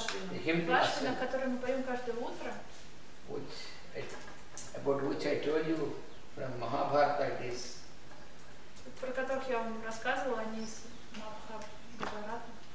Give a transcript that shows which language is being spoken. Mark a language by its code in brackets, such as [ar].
[en] the hymn to Aswini, [ru] который мы поем каждое утро, [en] about which I told you from Mahabharata, it is. [ru] Про которых я вам рассказывала, они из Mahabharata.